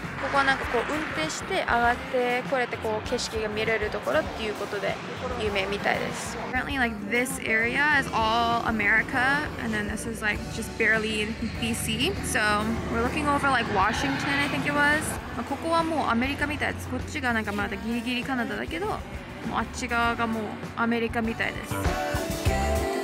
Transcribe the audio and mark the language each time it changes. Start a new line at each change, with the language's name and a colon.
Japanese: ここはなんかこう運転して上がってこれってこう景色が見れるところっていうことで有名みたいです。
English: Apparently like this area is all America and then this is like just barely BC. So we're looking over like Washington, I think it was.
Japanese: まあここはもうアメリカみたいです。こっちがなんかまだギリギリカナダだけど、もうあっち側がもうアメリカみたいです。